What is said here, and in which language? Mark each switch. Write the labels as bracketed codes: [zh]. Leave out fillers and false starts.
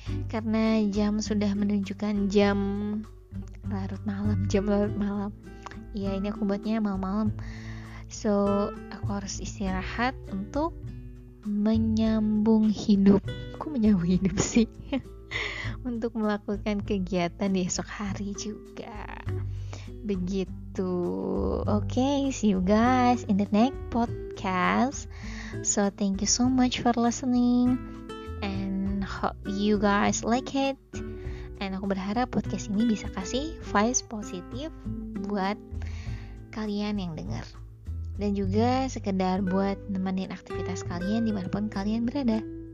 [id] Karena jam sudah menunjukkan jam larut malam. Iya, ini aku buatnya malam-malam. So, aku harus istirahat untuk menyambung hidup. Aku menyambung hidup sih. Untuk melakukan kegiatan di esok hari juga. Begitu. [en] Okay, see you guys in the next podcast. So, thank you so much for listening. And hope you guys like it. [id] And aku berharap podcast ini bisa kasih vibes positif buat kalian yang dengar, dan juga sekedar buat nemenin aktivitas kalian dimanapun kalian berada.